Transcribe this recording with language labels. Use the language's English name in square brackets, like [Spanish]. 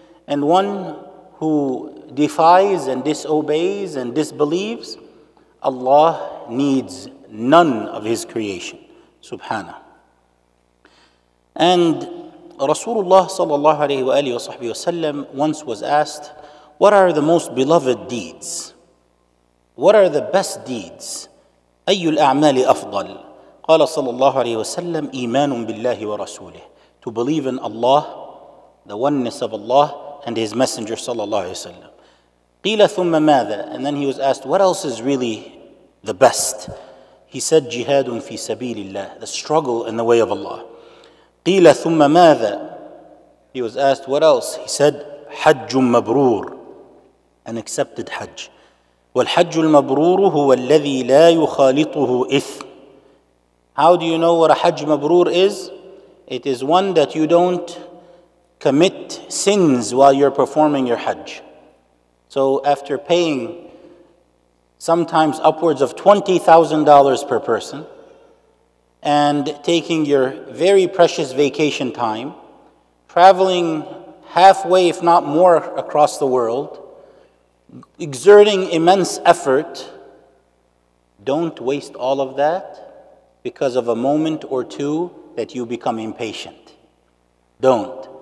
[English] And one who defies and disobeys and disbelieves, Allah needs none of His creation. Subhana. And Rasulullah sallallahu alayhi wa sallam once was asked, What are the most beloved deeds? What are the best deeds? [Arabic] أي الأعمال أفضل؟ قال صلى الله عليه وسلم إيمان بالله ورسوله. [English] To believe in Allah, the oneness of Allah and His Messenger [Arabic] صلى الله عليه وسلم. قيل ثم ماذا؟ [English] And then he was asked, what else is really the best? He said, [Arabic] جهاد في سبيل الله, [English] the struggle in the way of Allah. [Arabic] قيل ثم ماذا؟ [English] He was asked, what else? He said, [Arabic] حج مبرور, [English] an accepted Hajj. [Arabic] والحج المبرور هو الذي لا يخالطه إثم. [English] How do you know what a Hajj mabrur is? It is one that you don't commit sins while you're performing your Hajj. So after paying sometimes upwards of $20,000 per person and taking your very precious vacation time, traveling halfway, if not more, across the world, exerting immense effort, don't waste all of that because of a moment or two that you become impatient. Don't.